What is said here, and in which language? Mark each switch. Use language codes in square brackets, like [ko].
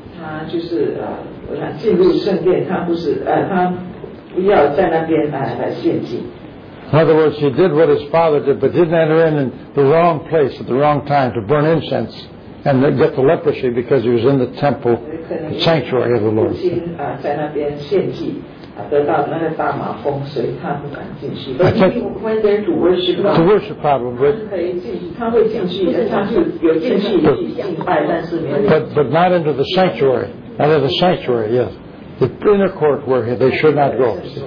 [zh] 他不要在那边来献祭。 [en] In other words, he did what his father did, but didn't enter in the wrong place at the wrong time to burn incense and get the leprosy because he was in the temple, the sanctuary of the Lord. [zh] 得到那个大马风水，他不敢进去。But [en] not into the sanctuary. Under the sanctuary, yes. The inner court where they should not go.